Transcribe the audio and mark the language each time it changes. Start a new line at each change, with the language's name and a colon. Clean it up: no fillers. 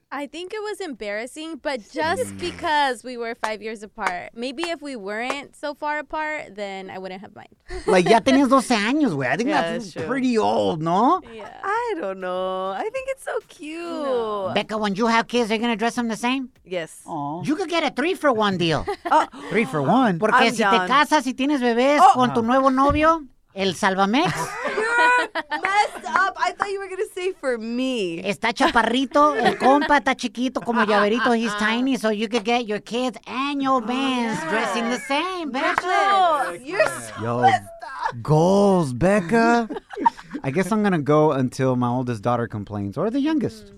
English: I think it was embarrassing, but just because we were 5 years apart. Maybe if we weren't so far apart, then I wouldn't have mind. Like,
Spanish: ya tenías 12 años, güey.
English: I think that's pretty old, no? Yeah. I don't know. I think it's so cute. No. Becca, when you have kids, are you going to dress them the same? Yes. Aww. You could get a 3-for-1 deal. 3-for-1?
Spanish: Porque
English: I'm
Spanish: si
English: young.
Spanish: Te casas y tienes bebés con tu nuevo novio, el Salvamex.
English: Messed up. I thought you were going to say for me.
Spanish: Está chaparrito. El compa está chiquito como llaverito.
English: He's tiny. So you could get your kids and your bands dressing the same. You're so messed up. Goals, Becca. I guess I'm going to go until my oldest daughter complains. Or the youngest.